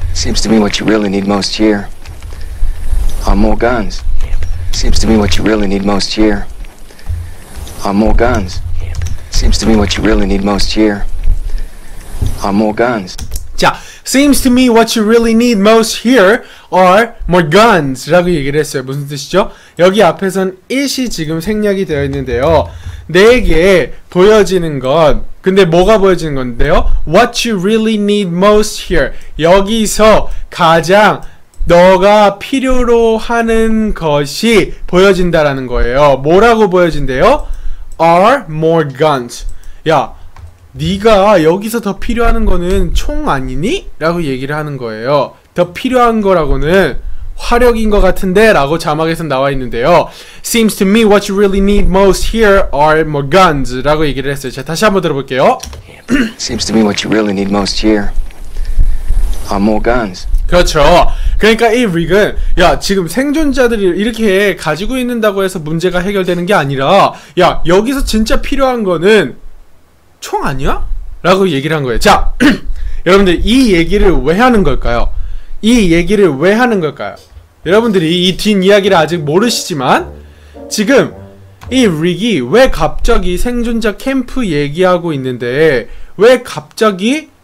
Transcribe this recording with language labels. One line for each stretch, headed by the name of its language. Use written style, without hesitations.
English: Seems to me what you really need most here are more guns. Camp. Seems to me what you really need most here are more guns. Camp. Seems to me what you really need most here are more guns.
Korean: 자,
English: seems to me what you really need most here are more guns
Korean: 라고 얘기를 했어요. 무슨 뜻이죠? 여기 앞에선 it이 지금 생략이 되어 있는데요. 내게 보여지는 건, 근데 뭐가 보여지는 건데요?
English: what you really need most here.
Korean: 여기서 가장 너가 필요로 하는 것이 보여진다라는 거예요. 뭐라고 보여진대요?
English: are more guns.
Korean: 야, 네가 여기서 더 필요한 거는 총 아니니? 라고 얘기를 하는 거예요. 더 필요한 거라고는 화력인 것 같은데? 라고 자막에서 나와 있는데요.
English: Seems to me what you really need most here are more guns.
Korean: 라고 얘기를 했어요. 자, 다시 한번 들어볼게요.
English: Seems to me what you really need most here are more guns.
Korean: 그렇죠. 그러니까 이 릭은 야, 지금 생존자들이 이렇게 가지고 있는다고 해서 문제가 해결되는 게 아니라 야, 여기서 진짜 필요한 거는 총 아니야? 라고 얘기를 한 거예요. 자, 여러분들 이 얘기를 왜 하는 걸까요? 이 얘기를 왜 하는 걸까요? 여러분들이 이 뒷이야기를 아직 모르시지만 지금 이 릭이 왜 갑자기 생존자 캠프 얘기하고 있는데 왜 갑자기